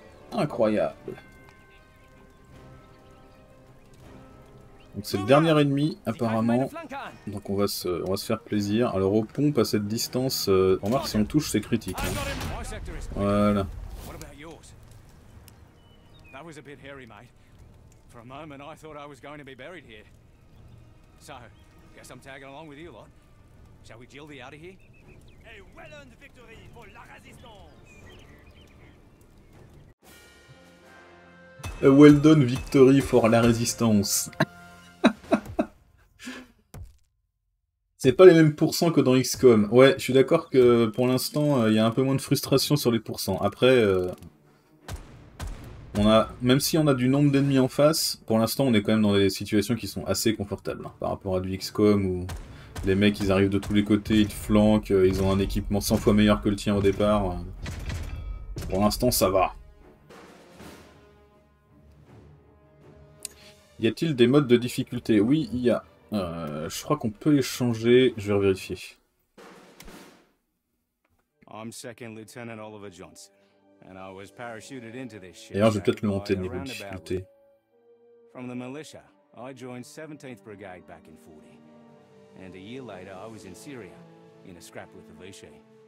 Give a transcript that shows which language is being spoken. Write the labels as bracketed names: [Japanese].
[French] Incroyable. Donc c'est le dernier ennemi, apparemment. Donc on va se faire plaisir. Alors aux pompes, à cette distance, remarque, si on touche, c'est critique. Hein. Voilà. [English] That was a bit hairy, mate. For a moment, I thought I was going to be buried here. So, guess I'm tagging along with you lot. Shall we Gildy out of here? A well-earned victory for La Résistance! A well-done victory for La Résistance. [French] C'est pas les mêmes pourcents que dans XCOM. Ouais, je suis d'accord que pour l'instant, il y a un peu moins de frustration sur les pourcents. Après... même si on a du nombre d'ennemis en face, pour l'instant on est quand même dans des situations qui sont assez confortables hein, par rapport à du XCOM où les mecs ils arrivent de tous les côtés, ils te flanquent, ils ont un équipement 100 fois meilleur que le tien au départ. Pour l'instant ça va. Y a-t-il des modes de difficulté? Oui, il y a. Je crois qu'on peut les changer, je vais vérifier. [English] I'm second lieutenant Oliver Johnson. And I was parachuted into this shit. [French] D'ailleurs, je vais peut-être le monter de niveau de difficulté. [English] From the militia, I joined 17th Brigade back in 40. And a year later, I was in Syria, in a scrap with the Vichy.